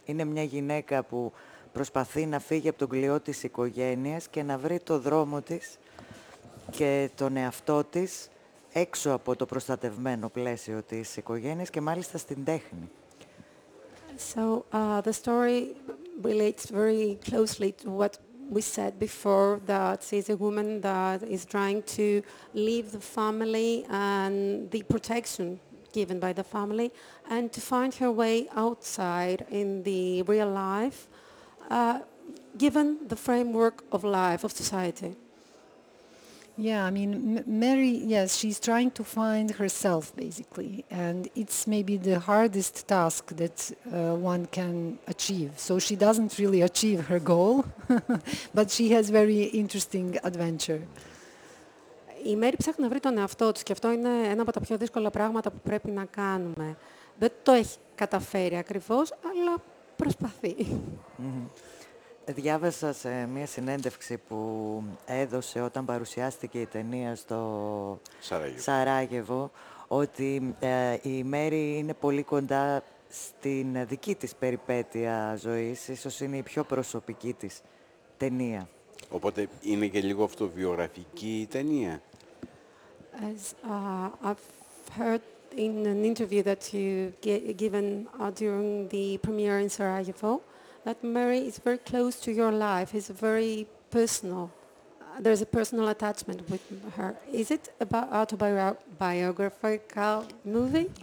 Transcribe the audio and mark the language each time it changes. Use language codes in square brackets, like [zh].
[el] Είναι μια γυναίκα που προσπαθεί να φύγει από τον κλειό της οικογένειας και να βρει το δρόμο της και τον εαυτό της έξω από το προστατευμένο πλαίσιο της οικογένειας και μάλιστα στην τέχνη. [en] So, the story relates very closely to what we said before, that she's a woman that is trying to leave the family and the protection given by the family and to find her way outside in the real life, given the framework of life, of society. Yeah, I mean, Mary, yes, she's trying to find herself, basically, and it's maybe the hardest task that one can achieve. So she doesn't really achieve her goal, but she has very interesting adventure. [el] Η Μέρη ψάχνει να βρει τον εαυτό της και αυτό είναι ένα από τα πιο δύσκολα πράγματα που πρέπει να κάνουμε. Δεν το έχει καταφέρει ακριβώς, αλλά προσπαθεί. Διάβασα σε μία συνέντευξη που έδωσε όταν παρουσιάστηκε η ταινία στο Σαράγεβο, ότι η Μέρη είναι πολύ κοντά στην δική της περιπέτεια ζωής, ίσως είναι η πιο προσωπική της ταινία. Οπότε είναι και λίγο αυτοβιογραφική η ταινία. [en] As I've heard in an interview that you given during the premiere in Sarajevo, that Mary is very close to your life, is very personal. There's a personal attachment with her. Is it about autobiographical movie?